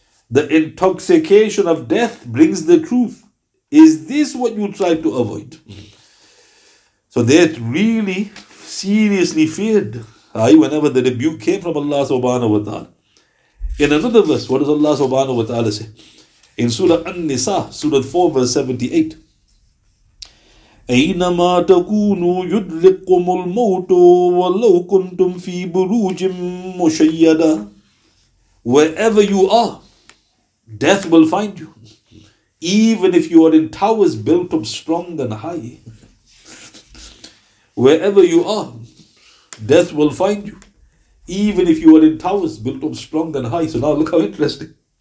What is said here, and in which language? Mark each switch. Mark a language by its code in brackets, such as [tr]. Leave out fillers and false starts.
[en] The intoxication of death brings the truth. Is this what you try to avoid? So they really seriously feared. Whenever the rebuke came from Allah subhanahu wa ta'ala. In another verse, what does Allah subhanahu wa ta'ala say? In Surah An-Nisa, Surah 4, verse 78. [ar] أينما تكونوا يدرككم الموت ولو كنتم في بروج مشيدة. [en] Wherever you are, death will find you. Even if you are in towers built up strong and high. Wherever you are, death will find you. Even if you are in towers built up strong and high. So now look how interesting.